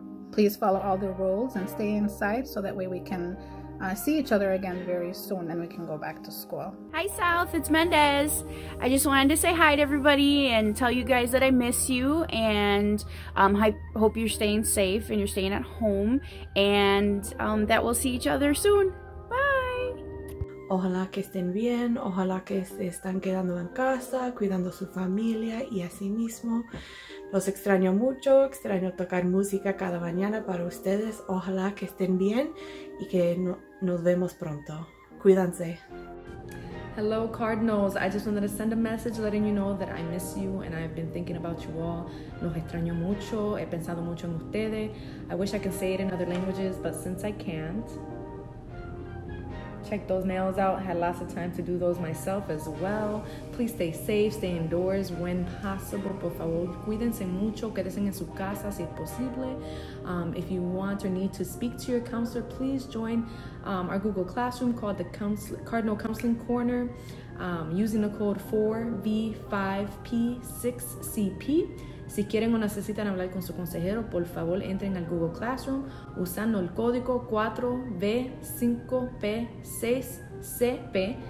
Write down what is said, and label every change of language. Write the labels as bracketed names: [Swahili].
[English] Please follow all the rules and stay inside so that way we can see each other again very soon and we can go back to school. Hi South, it's Mendez. I just wanted to say hi to everybody and tell you guys that I miss you and I hope you're staying safe and you're staying at home and that we'll see each other soon. Bye! [Spanish] Ojalá que estén bien, ojalá que se están quedando en casa, cuidando su familia y a sí mismo. Los extraño mucho, extraño tocar música cada mañana para ustedes. Ojalá que estén bien y que nos vemos pronto. Cuídense. [English] Hello, Cardinals. I just wanted to send a message letting you know that I miss you and I've been thinking about you all. [Spanish] Los extraño mucho, he pensado mucho en ustedes. [English] I wish I could say it in other languages, but since I can't, check those nails out. Had lots of time to do those myself as well. Please stay safe, stay indoors when possible. [Spanish] Por favor, cuídense mucho, quédense en su casa si es posible. [English] If you want or need to speak to your counselor, please join our Google Classroom called the Cardinal Counseling Corner using the code 4V5P6CP. [Spanish] Si quieren o necesitan hablar con su consejero, por favor entren al Google Classroom usando el código 4V5P6CP.